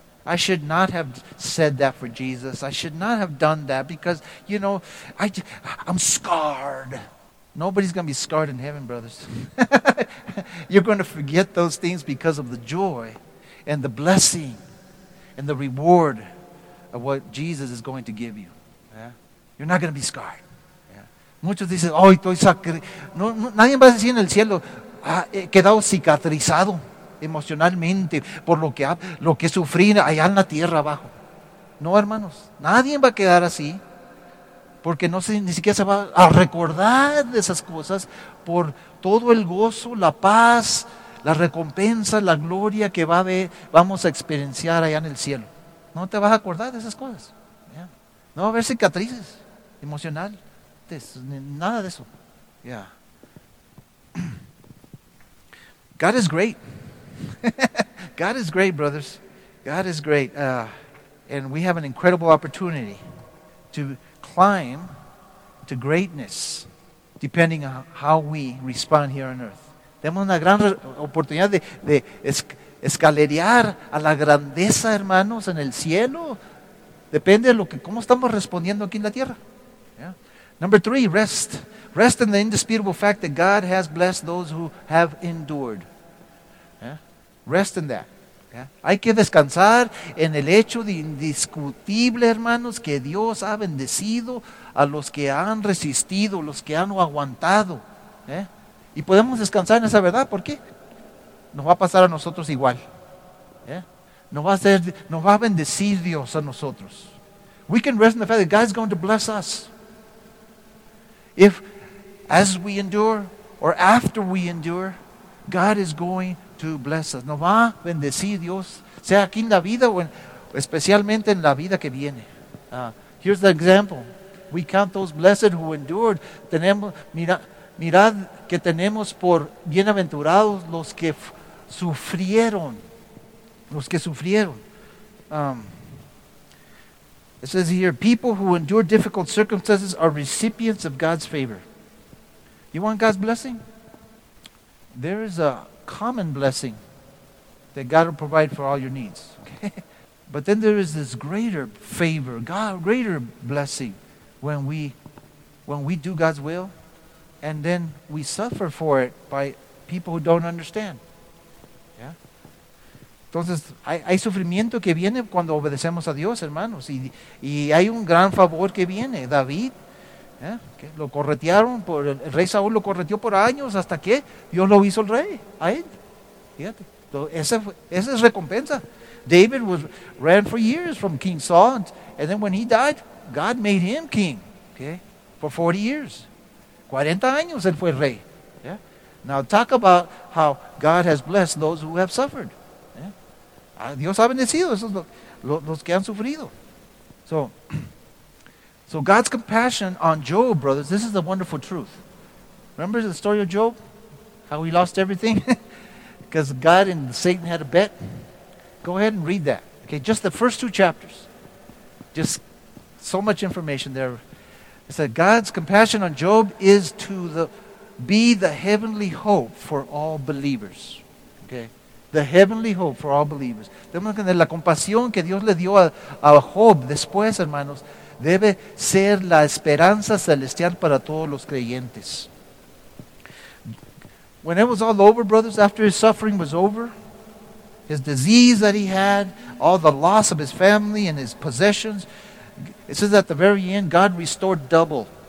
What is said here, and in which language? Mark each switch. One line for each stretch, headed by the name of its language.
English: I should not have said that for Jesus. I should not have done that because, you know, I'm scarred. Nobody's going to be scarred in heaven, brothers. You're going to forget those things because of the joy and the blessing and the reward of what Jesus is going to give you. Yeah. You're not going to be scarred. Yeah.
Spanish: Muchos dicen, oh, estoy sacrificado. No, nadie va a decir en el cielo, he quedado cicatrizado emocionalmente por lo que sufrí allá en la tierra abajo. No, hermanos, nadie va a quedar así, porque no se, ni siquiera se va a recordar de esas cosas por todo el gozo, la paz, la recompensa, la gloria que va a ver, vamos a experienciar allá en el cielo. No te vas a acordar de esas cosas. Yeah. No va a haber cicatrices emocionales, nada de eso.
English: Yeah. God is great. God is great, brothers. God is great. And we have an incredible opportunity to climb to greatness, depending on how we respond here on earth.
Spanish: Tenemos una gran oportunidad de escalerear a la grandeza, hermanos, en el cielo. Depende de lo que, cómo estamos respondiendo aquí en la tierra.
English: Yeah. Number three, rest. Rest in the indisputable fact that God has blessed those who have endured. Yeah. Rest in that. Yeah.
Spanish: Hay que descansar en el hecho de indiscutible, hermanos, que Dios ha bendecido a los que han resistido, los que han aguantado. Yeah. Y podemos descansar en esa verdad. ¿Por qué? Nos va a pasar a nosotros igual. Yeah. Nos va a bendecir Dios a nosotros.
English: We can rest in the fact that God is going to bless us. If, as we endure, or after we endure, God is going to bless us.
Spanish: Nos va a bendecir Dios, sea aquí en la vida o especialmente en la vida que viene.
English: Here's the example. We count those blessed who endured.
Spanish: Mirad que tenemos por bienaventurados los que sufrieron. Los que sufrieron.
English: It says here, people who endure difficult circumstances are recipients of God's favor. You want God's blessing? There is a common blessing that God will provide for all your needs. Okay? But then there is this greater favor, God, greater blessing when we do God's will, and then we suffer for it by people who don't understand. Yeah?
Spanish: Entonces, hay sufrimiento que viene cuando obedecemos a Dios, hermanos. Y hay un gran favor que viene. David, que lo corretearon, el rey Saúl lo correteó por años, hasta que Dios lo hizo el rey, a él. Fíjate, esa es recompensa.
English: David ran for years from King Saul, and then when he died, God made him king, okay, for 40 years.
Spanish: 40 años él fue rey.
English: Yeah? Now, talk about how God has blessed those who have suffered.
Spanish: Dios ha bendecido esos los que han sufrido.
English: So God's compassion on Job, brothers, this is the wonderful truth. Remember the story of Job? How he lost everything? Because God and Satan had a bet. Go ahead and read that. Okay, just the first two chapters. Just so much information there. It said, God's compassion on Job is to be the heavenly hope for all believers. Okay. The heavenly hope for all believers.
Spanish: Tenemos que la compasión que Dios le dio a Job después, hermanos, debe ser la esperanza celestial para todos los creyentes.
English: When it was all over, brothers, after his suffering was over, his disease that he had, all the loss of his family and his possessions, it says at the very end, God restored double.